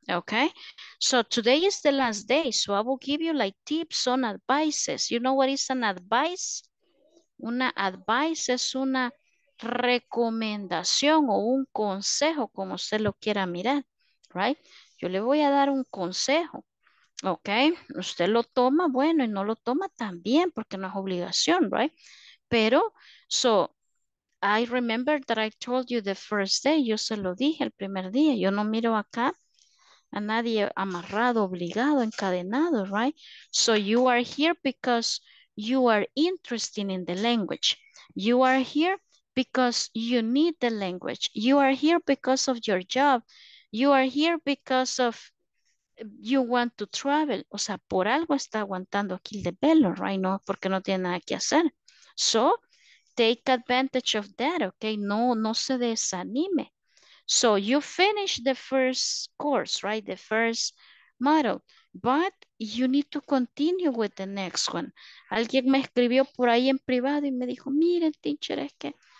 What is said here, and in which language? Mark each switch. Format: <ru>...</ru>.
<en>Okay, so today is the last day, so I will give you like tips on advices. You know what is an advice?</en> <es>Una advice es una recomendación o un consejo, como usted lo quiera mirar, right? Yo le voy a dar un consejo, okay? Usted lo toma, bueno, y no lo toma también, porque no es obligación, right? Pero, so,</es> <en>I remember that I told you the first day,</en> <es>yo se lo dije el primer día, yo no miro acá a nadie amarrado, obligado, encadenado, right?</es> <en>So you are here because you are interested in the language. You are here because you need the language. You are here because of your job. You are here because of you want to travel.</en> <es>O sea, por algo está aguantando aquí el de Belo, right? No, porque no tiene nada que hacer.</es> <en>So take advantage of that, okay?</en> <es>No, no se desanime.</es> <en>So you finish the first course, right? The first model, but you need to continue with the next one.</en> <es>Alguien me escribió por ahí en privado y me dijo, mire, teacher, es que</es>